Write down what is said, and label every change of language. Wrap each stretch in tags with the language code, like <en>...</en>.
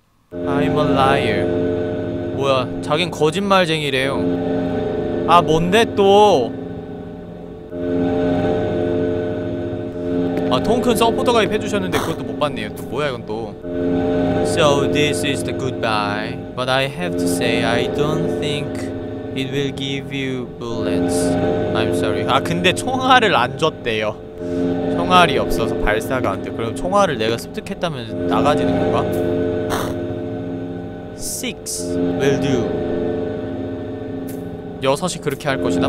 <en>I'm a liar.</en> <ko>뭐야, 자긴 거짓말쟁이래요. 아, 뭔데 또? 아, 통큰 서포터 가입 해주셨는데 그것도 못 봤네요. 또 뭐야 이건 또.</ko> <en>So this is the goodbye. But I have to say I don't think it will give you bullets. I'm sorry.</en> <ko>아, 근데 총알을 안 줬대요. 총알이 없어서 발사가 안 돼. 그럼 총알을 내가 습득했다면 나가지는 건가?</ko> <en>Six will do.</en> <ko>여섯이 그렇게 할 것이다.</ko>